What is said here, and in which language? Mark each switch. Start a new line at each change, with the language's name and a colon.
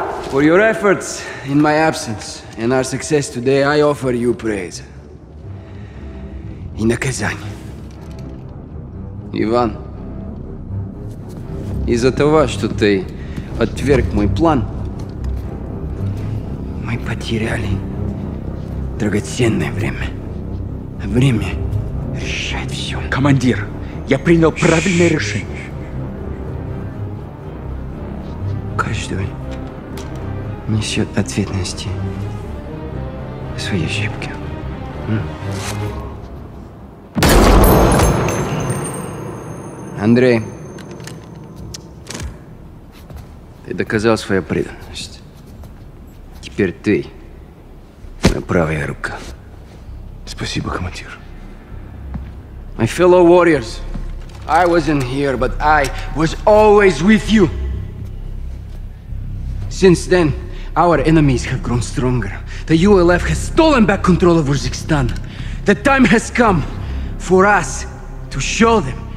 English: For your efforts in my absence and our success today, I offer you praise.
Russian: И наказание. Иван, из-за того, что ты отверг мой план, мы потеряли драгоценное время. Время решает все. Командир, я принял правильное решение. Каждый несет ответственности за свои ошибки. Андрей, ты доказал свою преданность. Теперь ты моя правая рука. Спасибо, командир.
English: My fellow warriors, I wasn't here, but I was always with you. Since then, our enemies have grown stronger. The ULF has stolen back control of Uzbekistan. The time has come for us to show them